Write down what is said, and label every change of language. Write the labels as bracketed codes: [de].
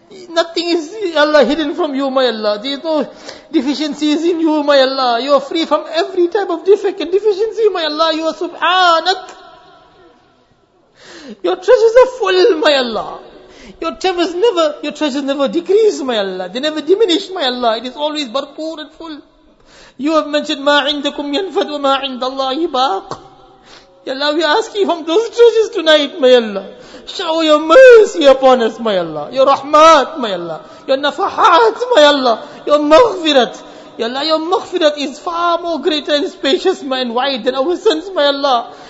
[en] Nothing is, Allah, hidden from you, my Allah. There is no deficiencies in you, my Allah. You are free from every type of defect and deficiency, my Allah. You are subhanak. Your treasures are full, my Allah. Your treasures never decrease, my Allah. They never diminish, my Allah. It is always barpoor and full. You have mentioned, [ar] مَا عِنْدَكُمْ يَنْفَدْ وَمَا عِنْدَ اللَّهِ بَاقٍ. [en] Ya Allah, we ask you from those treasures tonight, my Allah. Shower your mercy upon us, my Allah. Your rahmat, my Allah. Your nafahat, my Allah. Your maghfirat. Ya Allah, your maghfirat is far more greater and spacious and wide than our sins, my Allah.